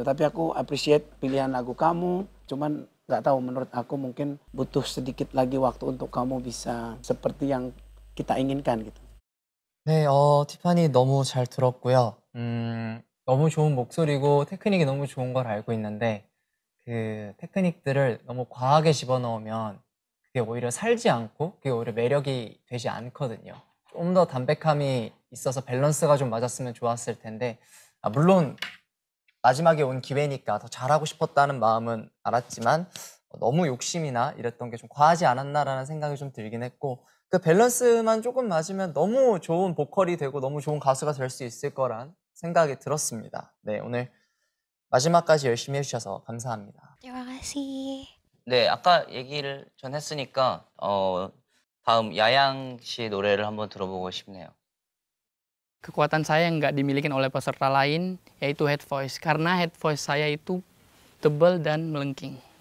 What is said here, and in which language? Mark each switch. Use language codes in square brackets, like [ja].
[id] Tapi aku appreciate pilihan lagu kamu, cuman gak tahu, menurut aku mungkin butuh sedikit lagi waktu untuk kamu bisa seperti yang kita inginkan gitu. [ko] 네, Tiffany 너무 잘 들었고요. 너무 좋은 목소리고 테크닉이 너무 좋은 걸 알고 있는데 그 테크닉들을 너무 과하게 집어넣으면 그게 오히려 살지 않고 그게 오히려 매력이 되지 않거든요. 좀 더 담백함이 있어서 밸런스가 좀 맞았으면 좋았을 텐데, 아, 물론 마지막에 온 기회니까 더 잘하고 싶었다는 마음은 알았지만 너무 욕심이나 이랬던 게 좀 과하지 않았나라는 생각이 좀 들긴 했고, 그 밸런스만 조금 맞으면 너무 좋은 보컬이 되고 너무 좋은 가수가 될 수 있을 거란 생각이 들었습니다. 네, 오늘 마지막까지 열심히 해주셔서 감사합니다. 네, 아까 얘기를 전 했으니까 다음 야양 씨의 노래를 한번 들어보고 싶네요. [id] Kekuatan saya yang nggak dimiliki oleh peserta lain, yaitu head voice. Karena head voice saya itu tebal dan melengking.